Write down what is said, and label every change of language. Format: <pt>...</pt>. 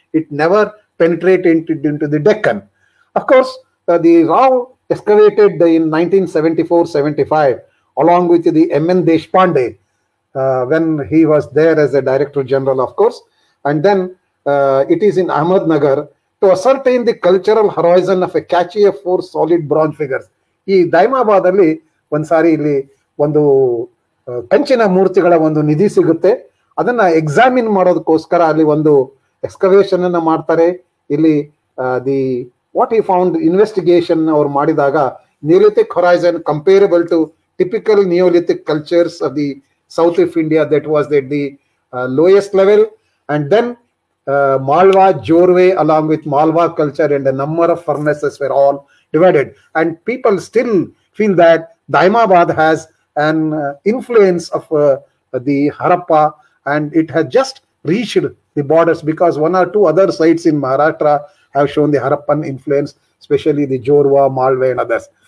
<en>It never penetrated into the Deccan. Of course, the Rao excavated in 1974-75 along with the M.N. Deshpande when he was there as a director general, of course. And then it is in Ahmednagar to ascertain the cultural horizon of a cache of four solid bronze figures.</en> <kn>ಈ ದೈಮಾಬಾದ್ ಅಲ್ಲಿ ಒಂದ್ಸಾರಿ ಇಲ್ಲಿ ಒಂದು ಕಂಚಿನ ಮೂರ್ತಿಗಳ ಒಂದು ನಿಧಿ ಸಿಗುತ್ತೆ. ಅದನ್ನ ಎಕ್ಸಾಮಿನ್ ಮಾಡೋದಕ್ಕೋಸ್ಕರ ಅಲ್ಲಿ ಒಂದು ಎಕ್ಸ್ಕವೇಷನ್ ಅನ್ನ ಮಾಡ್ತಾರೆ. ಇಲ್ಲಿ</kn> <en>the what he found investigation</en> <kn>ಅವ್ರು ಮಾಡಿದಾಗ</kn> <en>Neolithic horizon comparable to typical neolithic cultures of the south of India that was at the lowest level and then Malwa, Jorve, along with Malwa culture and a number of furnaces were all divided. And people still feel that Daimabad has an influence of the Harappa, and it has just reached the borders because one or two other sites in Maharashtra have shown the Harappan influence, especially the Jorva, Malwa and others.</en>